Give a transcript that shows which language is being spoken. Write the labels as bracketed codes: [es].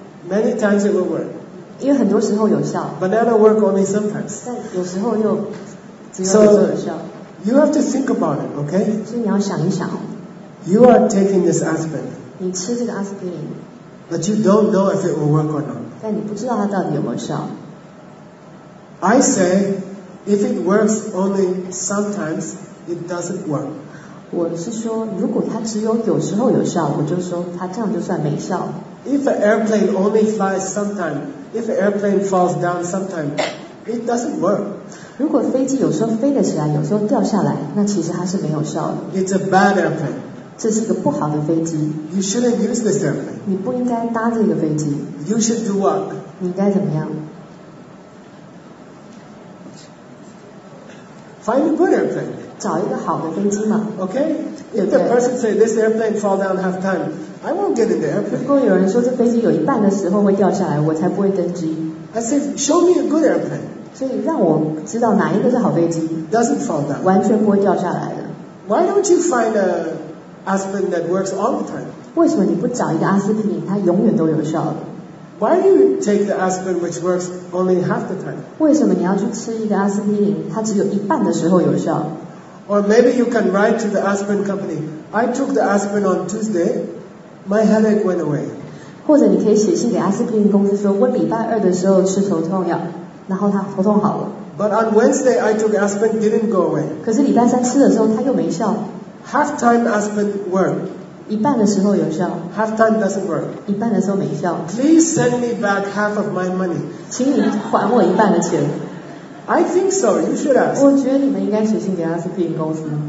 [en] Many times it will work. [zh] 因为很多时候有效。 [en] Banana work only sometimes. [zh] 但有时候又只有有效。 [en] You have to think about it, okay? [zh] 所以你要想一想。 [en] You are taking this aspirin. [zh] 你吃这个阿司匹林。 [en] But you don't know if it will work or not. [zh] 但你不知道它到底有没有效。 [en] I say, if it works only sometimes, it doesn't work. [zh] 我是说，如果它只有有时候有效，我就说它这样就算没效。 [en] If an airplane only flies sometimes, if an airplane falls down sometimes, it doesn't work. [zh] 如果飞机有时候飞得起来，有时候掉下来，那其实它是没有效的。 [en] It's a bad airplane. [zh] 这是一个不好的飞机。 [en] You shouldn't use this airplane. [zh] 你不应该搭这个飞机。 [en] You should do what? [zh] 你应该怎么样？ [en] Find a good airplane. [zh] 找一个好的飞机嘛。 [en] Okay. If the person say this airplane fall down half time, I won't get in the airplane. [zh] 如果有人说这飞机有一半的时候会掉下来，我才不会登机。 [en] I say, show me a good airplane. [zh] 所以让我知道哪一个是好飞机。 [en] Doesn't fall down. [zh] 完全不会掉下来的。 [en] Why don't you find a aspirin that works all the time? [zh] 为什么你不找一个阿司匹林，它永远都有效？ [en] Why do you take the aspirin which works only half the time? [zh] 为什么你要去吃一个阿司匹林，它只有一半的时候有效？ [en] Or maybe you can write to the aspirin company. I took the aspirin on Tuesday, my headache went away. [zh] 或者你可以写信给阿司匹林公司说，我礼拜二的时候吃头痛药，然后它头痛好了。 [en] But on Wednesday I took aspirin, didn't go away. [zh] 可是礼拜三吃的时候它又没效。 [en] Half time aspirin worked. [zh] 一半的时候有效。 [en] Half time doesn't work. [zh] 一半的时候没效。 [en] Please send me back half of my money. [zh] 请你还我一半的钱。 [en] I think so. You should ask. [zh] 我觉得你们应该写信给阿司匹林公司。